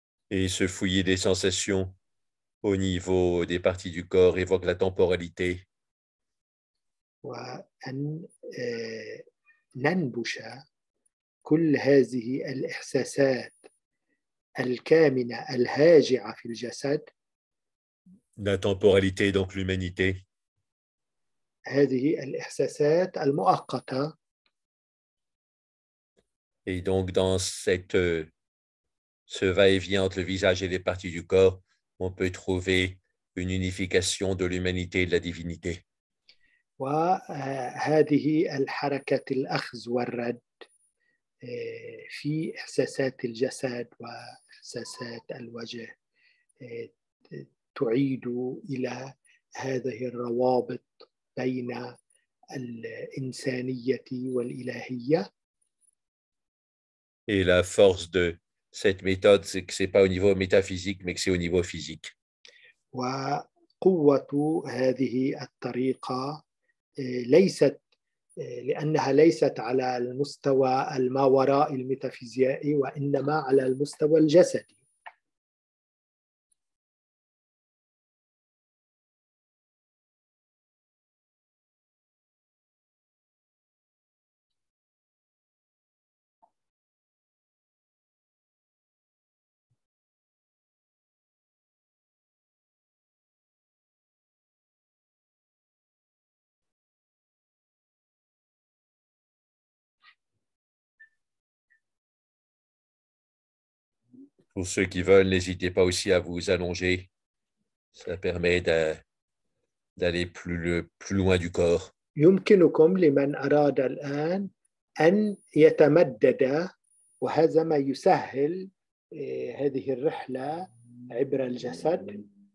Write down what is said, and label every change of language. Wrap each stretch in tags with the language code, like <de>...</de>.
<fr>Et ce fouiller des sensations au niveau des parties du corps évoque la temporalité.</fr> <ar>وأن ننبش كل هذه الإحساسات الكامنة الهاجعة في الجسد.</ar> <fr>La temporalité donc l'humanité.</fr> <ar>هذه الإحساسات المؤقتة.</ar> <fr>Et donc dans ce va-et-vient entre le visage et les parties du corps, on peut trouver une unification de l'humanité et de la divinité.</fr> <ar>وهذه الحركة الأخذ والرد في إحساسات الجسد وإحساسات الوجه تعيد إلى هذه الروابط بين الإنسانية والإلهية.</ar> <fr>Et la force de cette méthode, c'est que ce n'est pas au niveau métaphysique, mais que c'est au niveau physique.</fr> <ar>وقوة هذه الطريقة ليست لأنها ليست على المستوى الماوراء الميتافيزيائي وإنما على المستوى الجسدي.</ar> <fr>Pour ceux qui veulent, n'hésitez pas aussi à vous allonger. Ça permet d'aller plus loin du corps.</fr> <ar>يمكنكم لمن أراد الآن أن يتمدد وهذا ما يسهل هذه الرحلة عبر الجسد.</ar>